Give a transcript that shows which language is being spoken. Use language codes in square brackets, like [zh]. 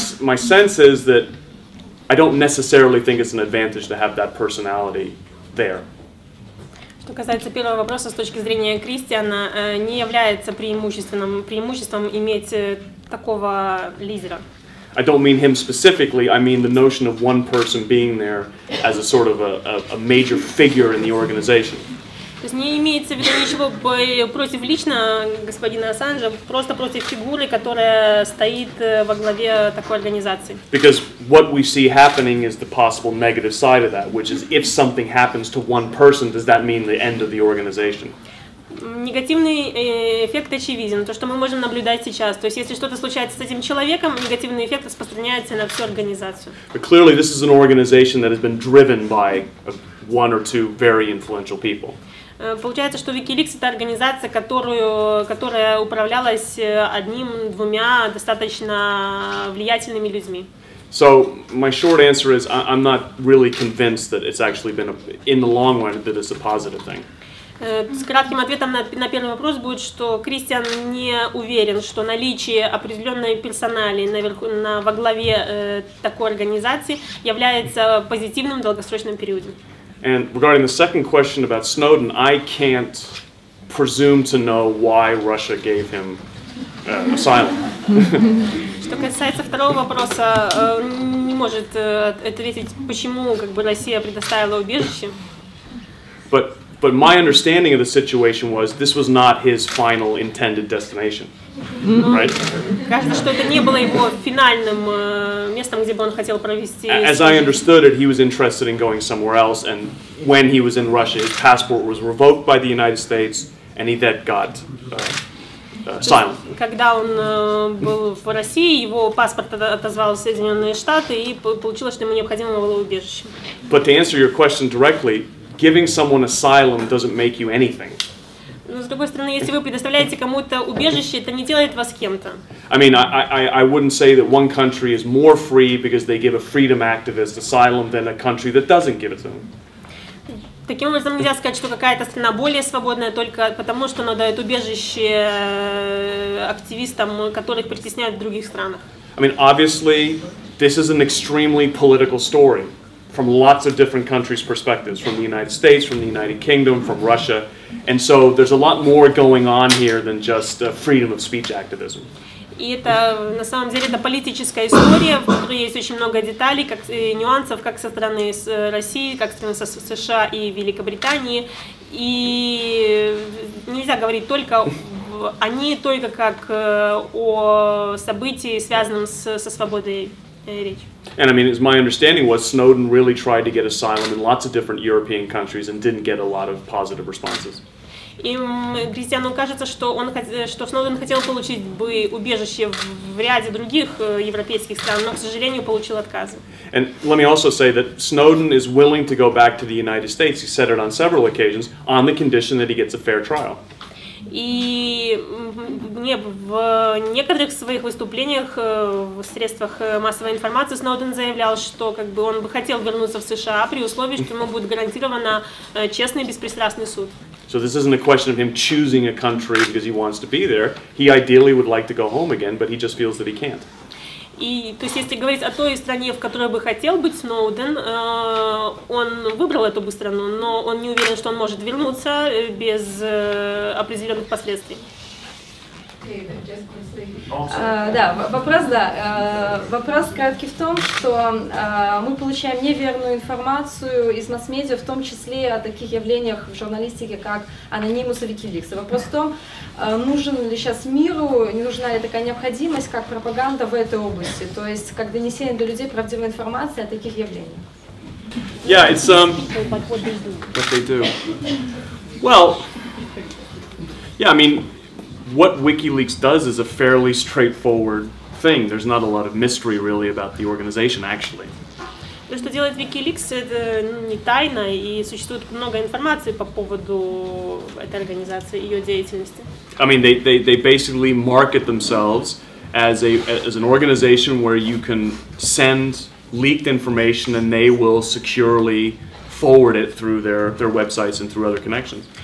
[en] My sense is that I don't necessarily think it's an advantage to have that personality there. [ru] Что касается первого вопроса, с точки зрения Кристиана, не является преимуществом иметь такого лидера. [en] I don't mean him specifically, I mean the notion of one person being there as a sort of a major figure in the organization. [ru] То есть не имеется в виду ничего против лично господина Ассанжа, просто против фигуры, которая стоит во главе такой организации. [en] Because what we see happening is the possible negative side of that, which is if something happens to one person, does that mean the end of the organization? [ru] Негативный эффект очевиден, то, что мы можем наблюдать сейчас. То есть если что-то случается с этим человеком, негативный эффект распространяется на всю организацию. [en] But clearly this is an organization that has been driven by one or two very influential people. [ru] Получается, что WikiLeaks — это организация, которая управлялась одним-двумя достаточно влиятельными людьми. [en] So my short answer is I'm not really convinced that it's actually been in the long run that it's a positive thing. [ru] С кратким ответом на первый вопрос будет, что Кристиан не уверен, что наличие определенной персонали во главе такой организации является позитивным в долгосрочном периоде. [en] And regarding the second question about Snowden, I can't presume to know why Russia gave him asylum. [ru] Что касается второго вопроса, не может ответить, почему как бы Россия предоставила убежище. [en] But my understanding of the situation was this was not his final intended destination. Right? [ru] Кажется, что это не было его финальным местом, где бы он хотел провести. [en] As I understood it, he was interested in going somewhere else, and when he was in Russia, his passport was revoked by the United States, and he then got asylum. [ru] Когда он был в России, его паспорт отозвал Соединенные Штаты, и получилось, что ему необходимо было убежище. [en] But to answer your question directly, giving someone asylum doesn't make you anything. [ru] Но, с другой стороны, если вы предоставляете кому-то убежище, это не делает вас кем-то. [en] I mean, I wouldn't say that one country is more free because they give a freedom activist asylum than a country that doesn't give it to them. [ru] Таким образом, нельзя сказать, что какая-то страна более свободная только потому, что она дает убежище активистам, которых притесняют в других странах. [en] I mean, obviously, this is an extremely political story from lots of different countries' perspectives, from the United States, from the United Kingdom, from Russia. And so there's a lot more going on here than just freedom of speech activism. [ru] И это, на самом деле, это политическая история, в которой есть очень много деталей, как нюансов, как со стороны России, как со стороны США и Великобритании. И нельзя говорить только о ней, только как о событии, связанном со свободой речи. [en] And I mean, as my understanding was, Snowden really tried to get asylum in lots of different European countries and didn't get a lot of positive responses. [ru] Кристиану кажется, что Сноуден хотел получить бы убежище в ряде других европейских стран, но, к сожалению, получил отказ. [en] And let me also say that Snowden is willing to go back to the United States. He said it on several occasions on the condition that he gets a fair trial. [ru] И мне в некоторых своих выступлениях в средствах массовой информации Сноуден заявлял, что как бы он бы хотел вернуться в США при условии, что ему будет гарантирован честный беспристрастный суд. [en] So this isn't a question of him choosing a country because he wants to be there. He ideally would like to go home again, but he just feels that he can't. [ru] И, то есть, если говорить о той стране, в которой бы хотел быть Сноуден, он выбрал эту бы страну, но он не уверен, что он может вернуться без определенных последствий. Да, вопрос, да. Вопрос краткий в том, что мы получаем неверную информацию из масс-медиа, в том числе о таких явлениях в журналистике, как Anonymous и WikiLeaks. Вопрос в том, нужен ли сейчас миру, не нужна ли такая необходимость, как пропаганда в этой области, то есть как донесение до людей правдивой информации о таких явлениях. [en] Yeah, it's what they do. Well, yeah, I mean, what WikiLeaks does is a fairly straightforward thing. There's not a lot of mystery really about the organization, actually. [ru] То, что делает Wikileaks, это не тайна, и существует много информации по поводу этой организации, ее деятельности. [en] I mean, they basically market themselves as an organization where you can send leaked information and they will securely forward it through their websites and through other connections.